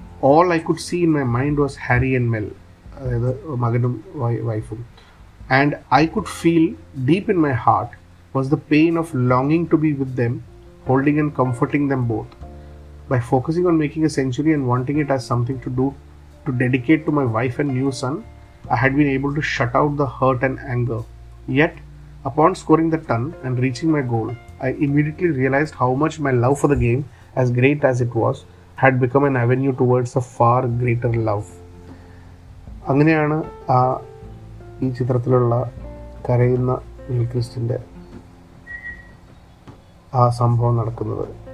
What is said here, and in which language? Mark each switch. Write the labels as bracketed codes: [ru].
[en] all I could see in my mind was Harry and Mel, [ml] അതായത് മകനും വൈഫും, [en] And I could feel deep in my heart was the pain of ലോങ്ങിങ് to B with them, holding and comforting them both by focusing on making A century and wanting it as something to do to dedicate to my wife and new sun. I had been able to shut out the hurt and anger. Yet, upon scoring the ton and reaching my goal, I immediately realized how much my love for the game, as great as it was, had become an avenue towards a far greater love. [ml] അങ്ങനെയാണ് ആ ഈ ചിത്രത്തിലുള്ള കരയുന്ന ഗിൽക്രിസ്റ്റിൻ്റെ ആ സംഭവം നടക്കുന്നത്.